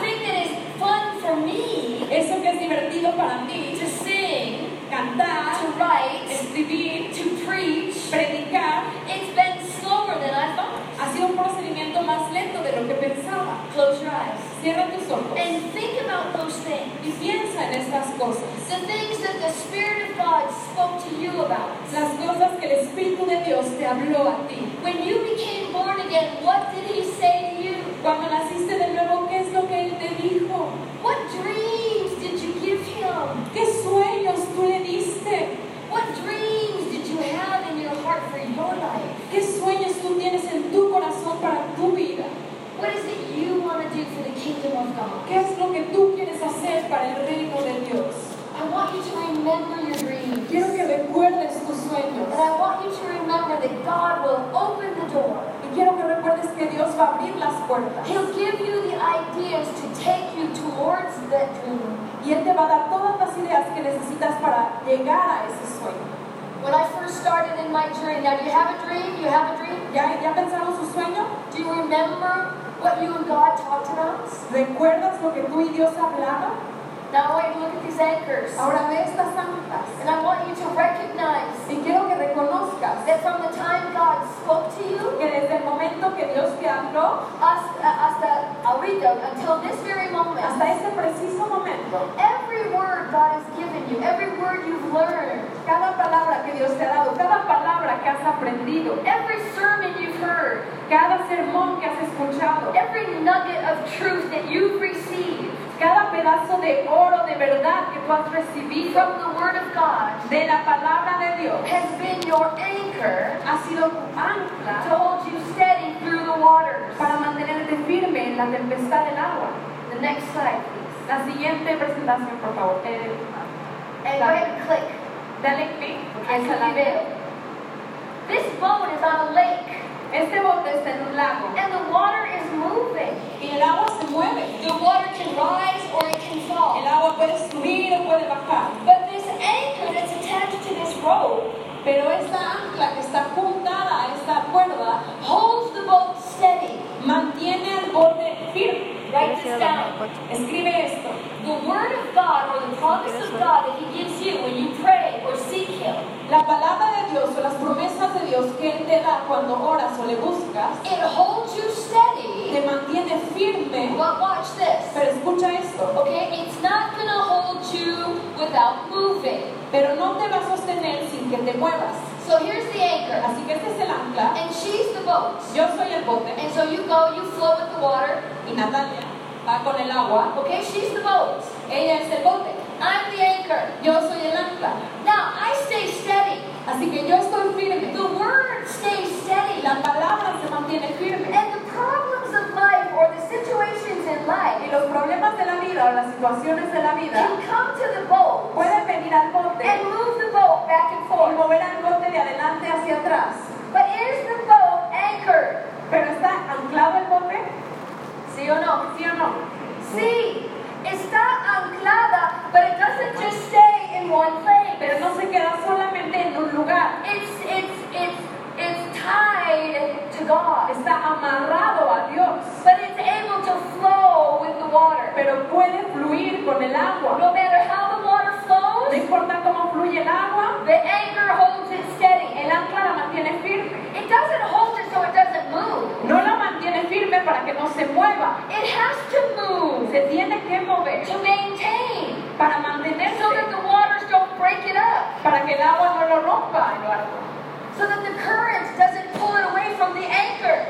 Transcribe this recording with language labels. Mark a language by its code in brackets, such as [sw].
[en] The thing that is fun for me. [es] Eso que es divertido para mí. [en] To sing. [es] Cantar. [en] To write. [es] Escribir. [en] To preach. [es] Predicar. [en] It's been slower than I thought. [es] Ha sido un procedimiento más lento de lo que pensaba. [en] Close your eyes. [es] Cierra tus ojos. [en] And think about those things. [es] Y piensa en estas cosas. [en] The things that the Spirit of God spoke to you about. [es] Las cosas que el Espíritu de Dios te habló a ti. [en] When you became born again, what did He say to you? [es] Cuando naciste de nuevo, ¿qué es lo que Él te dijo? [en] What dreams did you give Him? [es] ¿Qué sueños tú le diste? [en] What dreams did you have in your heart for your life? [es] ¿Qué sueños tú tienes en tu corazón para tu vida? [en] What is it you want to do for the kingdom of God? [es] ¿Qué es lo que tú quieres hacer para el reino de Dios? [en] I want you to remember your dreams. [es] Quiero que recuerdes tus sueños. [en] And I want you to remember that God will open the door. [es] Y quiero que recuerdes que Dios va a abrir las puertas. [en] He'll give you the ideas to take you towards that dream. [es] Y Él te va a dar todas las ideas que necesitas para llegar a ese sueño. [en] When I first started in my journey, now do you have a dream? You have a dream? [es] ¿Ya pensaron su sueño? [en] Do you remember what you and God talked about? [es] ¿Recuerdas lo que tú y Dios hablaron? [en] Now I want you to look at these anchors. [es] Ahora ve estas anclas. [en] And I want you to recognize. [es] Y quiero que reconozcas. [en] That from the time God spoke to you. [es] Que desde el momento que Dios te habló. Hasta ahorita, [en] until this very moment. [es] Hasta este preciso momento. [en] Every word God has given you. Every word you've learned. [es] Cada palabra que Dios te ha dado. Cada palabra que has aprendido, [en] every sermon you've heard, [es] cada sermón que has escuchado, [en] every nugget of truth that you've received, [es] cada pedazo de oro de verdad que tú has recibido, [en] from the word of God, [es] de la palabra de Dios, [en] has been your anchor, [es] ha sido tu ancla, [en] to hold you steady through the waters, [es] para mantenerte firme en la tempestad del agua. [en] The next slide, please. [es] La siguiente presentación, por favor. [en] Click. [es] Dale click. [en] Okay, [es] es el video. [en] This boat is on a lake. [es] Este bote está en un lago. [en] And the water is moving. [es] Y el agua se mueve. [en] The water can rise or it can fall. [es] El agua puede subir o puede bajar. [en] But this anchor that's attached to this rope. [es] Pero esta ancla que está juntada a esta cuerda [en] holds the boat steady. [es] Mantiene el bote firme. [en] Write this down. [es] Escribe esto. [en] The word of God or the promise of God that He gives you when you pray or seek Him. [es] La palabra de Dios o las promesas de Dios que Él te da cuando oras o le buscas. [en] It holds you steady. [es] Te mantiene firme. [en] But watch this. [es] Pero escucha esto. [en] Okay, it's not going to hold you without moving. [es] Pero no te va a sostener sin que te muevas. [en] So here's the anchor. [es] Así que este es el ancla. [en] And she's the boat. [es] Yo soy el bote. [en] And so you go, you flow with the water. [es] Y Natalia va con el agua. [en] Okay, she's the boat. [es] Ella es el bote. [en] I'm the anchor. [es] Yo soy el ancla. [en] Now I stay steady. [es] Así que yo estoy firme. [en] The word stays steady. [es] La palabra se mantiene firme. [en] And the problems of life or the situations in life. [es] Y los problemas de la vida o las situaciones de la vida. [en] Can come to the boat. [es] Puede venir al bote. [en] And move the boat back and forth. [es] Y mover al bote de adelante hacia atrás. [en] But is the boat anchored? [es] Pero está anclado el bote. Sí o no? Sí o no? Sí. Está anclada, [en] but it doesn't just stay in one place. [es] Pero no se queda solamente en un lugar. [en] It's tied to God. [es] Está amarrado a Dios. [en] But it's able to flow with the water. [es] Pero puede fluir con el agua. [en] No matter how the water flows. [es] No importa cómo fluye el agua. [en] The anchor holds it steady. [es] El ancla la mantiene firme. [en] It doesn't hold it so it doesn't move. [es] No la mantiene firme para que no se mueva. [en] It has to move. [es] Se tiene que mover. [en] To maintain. [es] Para mantenerse. [en] So that the waters don't break it up. [es] Para que el agua no lo rompa. [en] So that the current doesn't pull it away from the anchor.